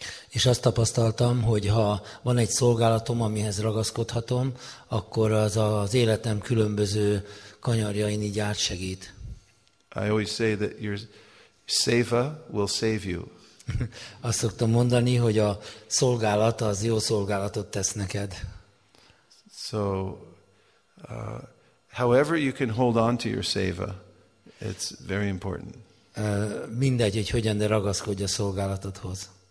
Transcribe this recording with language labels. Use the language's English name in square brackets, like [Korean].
[Hungarian] És azt tapasztaltam, hogy ha van egy szolgálatom, amihez ragaszkodhatom, akkor az az életem különböző kanyarjain így átsegít. [English] I always say that your seva will save you. [Hungarian] Azt szoktam mondani, hogy a szolgálat az jó szolgálatot tesz neked. [English] So, however you can hold on to your seva, it's very important. [Hungarian] Mindegy, hogy hogyan, de ragaszkodj a szolgálatodhoz.